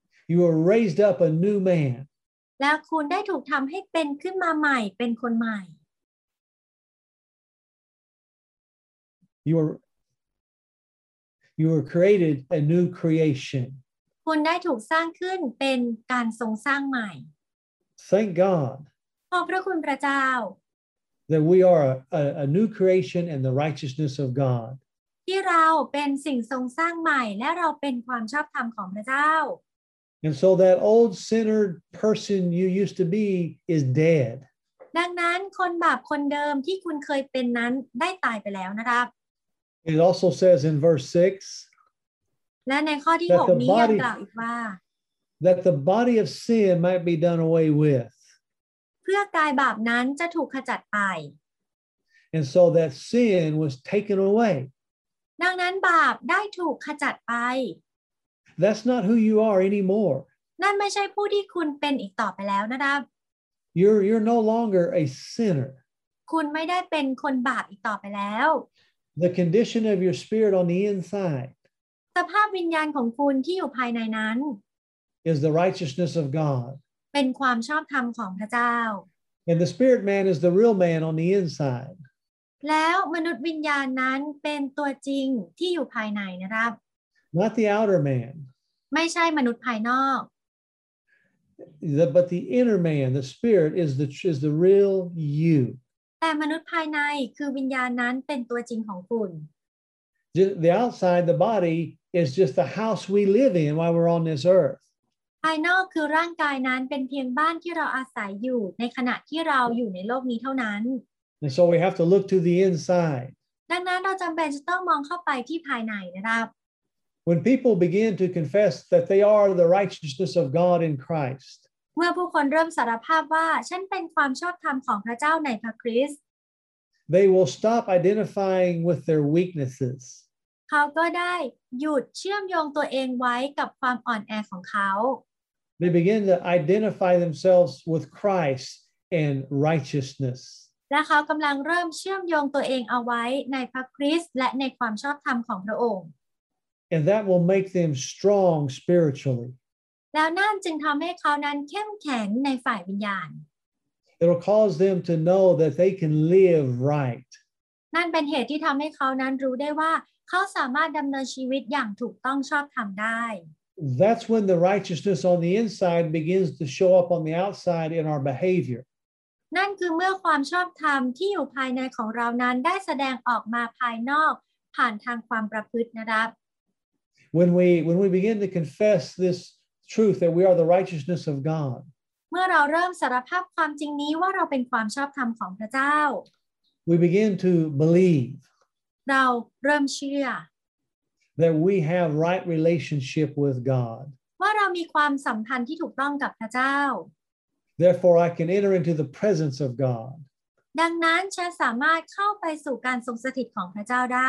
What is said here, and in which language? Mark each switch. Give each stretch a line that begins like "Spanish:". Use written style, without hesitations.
English: You were raised up a new man
Thai: แล้วคุณได้ถูกทำให้เป็นขึ้นมาใหม่เป็นคนใหม่
English: You were created a new creation.
Thai: คุณได้ถูกสร้างขึ้นเป็นการทรงสร้างใหม่
English: Thank God.
Thai: ขอบพระคุณพระเจ้า
English: That we are a new creation and the righteousness of God.
Thai: ที่เราเป็นสิ่งทรงสร้างใหม่และเราเป็นความชอบธรรมของพระเจ้า
English: And so that old sinner person you used to be is dead.
Thai: ดังนั้นคนบาปคนเดิมที่คุณเคยเป็นนั้นได้ตายไปแล้วนะครับ
English: It also says in verse 6 that the body of sin might be done away with.
Thai: เพื่อกายบาปนั้นจะถูกขจัดไป
English: And so that sin was taken away.
Thai: ดังนั้นบาปได้ถูกขจัดไป
English: That's not who you are anymore.
Thai: นั่นไม่ใช่ผู้ที่คุณเป็นอีกต่อไปแล้วนะครับ
English: You're no longer a sinner.
Thai: คุณไม่ได้เป็นคนบาปอีกต่อไปแล้ว
English: The condition of your spirit on the inside.
Thai: สภาพวิญญาณของคุณที่อยู่ภายในนั้น
English: is the righteousness of God.
Thai: เป็นความชอบธรรมของพระเจ้า
English: And the spirit man is the real man on the inside.
Thai: แล้วมนุษย์วิญญาณนั้นเป็นตัวจริงที่อยู่ภายในนะครับ
English: Not the outer man.
Thai: ไม่ใช่มนุษย์ภายนอก
English: But the inner man, the spirit, is the real you.
Thai: แต่มนุษย์ภายในคือวิญญาณนั้นเป็นตัวจริงของคุณ
English: The outside, the body, is just the house we live in while we're on this earth.
Thai: ภายนอกคือร่างกายนั้นเป็นเพียงบ้านที่เราอาศัยอยู่ในขณะที่เราอยู่ในโลกนี้เท่านั้น
English: And so we have to look to the inside.
Thai: ดังนั้นเราจำเป็นจะต้องมองเข้าไปที่ภายในนะครับ
English: When people begin to confess that they are the righteousness of God in Christ.
Thai: เมื่อผู้คนเริ่มสารภาพว่าฉันเป็นความชอบธรรมของพระเจ้าในพระคริสต์
English: They will stop identifying with their weaknesses.
Thai: เขาก็ได้หยุดเชื่อมโยงตัวเองไว้กับความอ่อนแอของเขา
English: They begin to identify themselves with Christ and righteousness.
Thai: และเขากำลังเริ่มเชื่อมโยงตัวเองเอาไว้ในพระคริสต์และในความชอบธรรมของพระองค์
English: And that will make them strong spiritually.
Thai: แล้วนั่นจึงทำให้เขานั้นเข้มแข็งในฝ่ายวิญญาณ
English: It will cause them to know that they can live right.
Thai: นั่นเป็นเหตุที่ทำให้เขานั้นรู้ได้ว่าเขาสามารถดำเนินชีวิตอย่างถูกต้องชอบธรรมได้
English: That's when the righteousness on the inside begins to show up on the outside in our behavior.
Thai: นั่นคือเมื่อความชอบธรรมที่อยู่ภายในของเรานั้นได้แสดงออกมาภายนอกผ่านทางความประพฤตินะครับ
English: When we begin to confess thisTruth that we are the righteousness of God.
Thai: เมื่อเราเริ่มสารภาพความจริงนี้ว่าเราเป็นความชอบธรรมของพระเจ้า
English: We begin to believe.
Thai: เราเริ่มเชื่อ
English: that we have right relationship with God.
Thai: ว่าเรามีความสัมพันธ์ที่ถูกต้องกับพระเจ้า
English: Therefore I can enter into the presence of God.
Thai: ดังนั้นฉันสามารถเข้าไปสู่การทรงสถิตของพระเจ้าได